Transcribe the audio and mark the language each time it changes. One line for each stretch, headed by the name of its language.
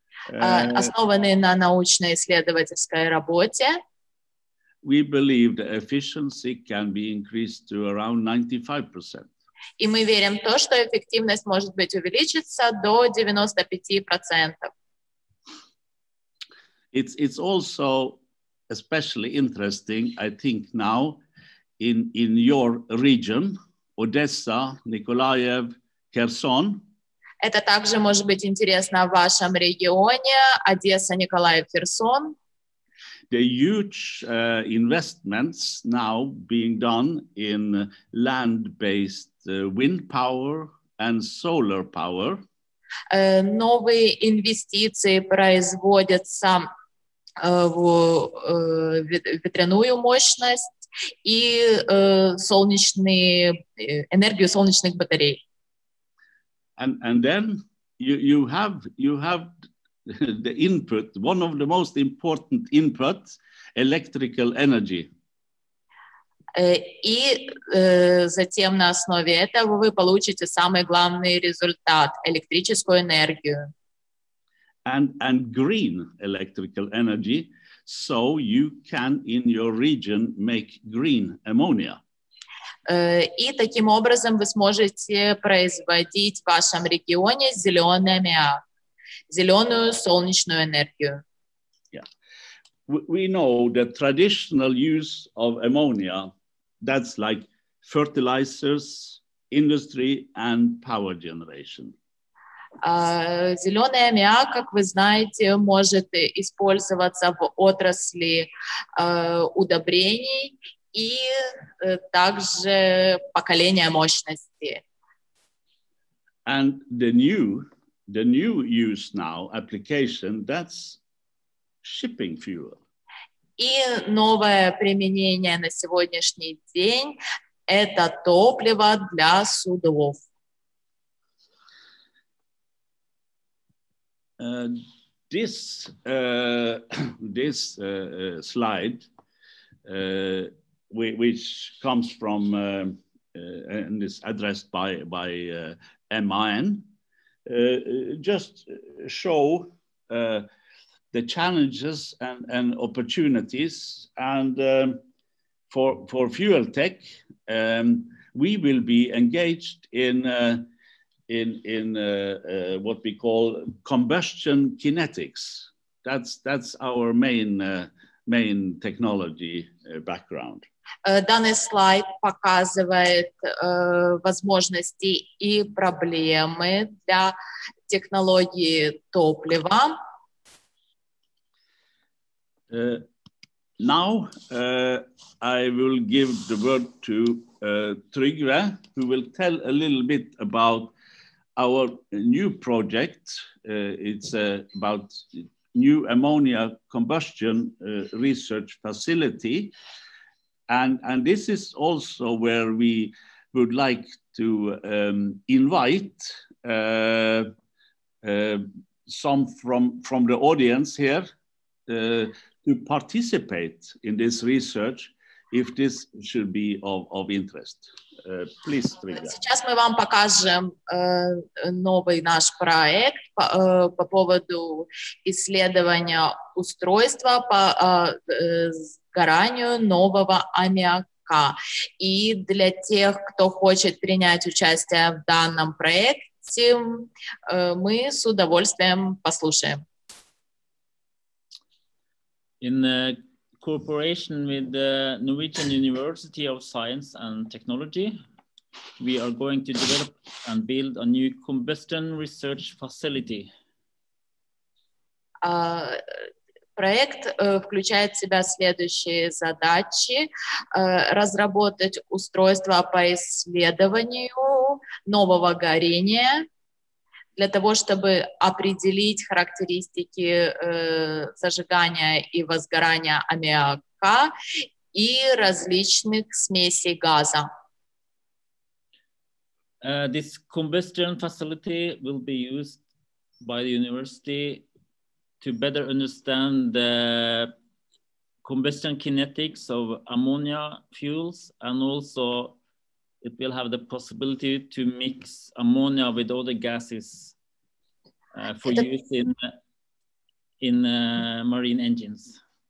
Russian: Основанные на научно-исследовательской работе.
English: We believe the efficiency can be increased to around 95%.
Russian: И мы верим в то, что эффективность может быть увеличится до 95%.
English: It's also especially interesting, I think, now in your region, Odessa, Nikolaev, Kherson.
Russian: Это также может быть интересно в вашем регионе, Одесса, Николаев, Херсон.
English: The huge investments now being done in land-based wind power and solar power.
Russian: Новые инвестиции производятся в ветряную мощность и энергию солнечных батарей.
English: And then you have the input, one of the most important inputs, electrical energy.
Russian: И затем на основе этого вы получите самый главный результат – электрическую энергию.
English: And green electrical energy, so you can in your region make green ammonia.
Russian: И таким образом вы сможете производить в вашем регионе зеленый аммиак, зеленую солнечную энергию.
English: Yeah. We know the traditional use of ammonia, that's like fertilizers, industry and power generation.
Russian: Зеленый аммиак, как вы знаете, может использоваться в отрасли удобрений и также поколения мощности.
English: And the new use now application, that's shipping fuel.
Russian: И новое применение на сегодняшний день – это топливо для судов.
English: This slide, which comes from and is addressed by MIN, just show the challenges and opportunities, and for Fuel Tech, we will be engaged in what we call combustion kinetics. That's our main technology background.
Russian: Данный слайд показывает возможности и проблемы для технологии топлива.
English: Now I will give the word to Trygve, who will tell a little bit about our new project. It's about new ammonia combustion research facility. And this is also where we would like to invite some from the audience here to participate in this research, if this should be of interest. Please, Trygve.
Russian: Сейчас мы вам покажем новый наш проект по поводу исследования устройства по сгоранию нового аммиака. И для тех, кто хочет принять участие в данном проекте, мы с удовольствием послушаем.
English: In cooperation with the Norwegian University of Science and Technology, we are going to develop and build a new combustion research facility.
Russian: Проект включает в себя следующие задачи. Разработать устройство по исследованию нового горения для того, чтобы определить характеристики зажигания и возгорания аммиака и различных смесей газа.
English: This combustion facility will be used by the university to better understand the combustion kinetics of ammonia fuels, and also it will have the possibility to mix ammonia with other gases for use in marine engines.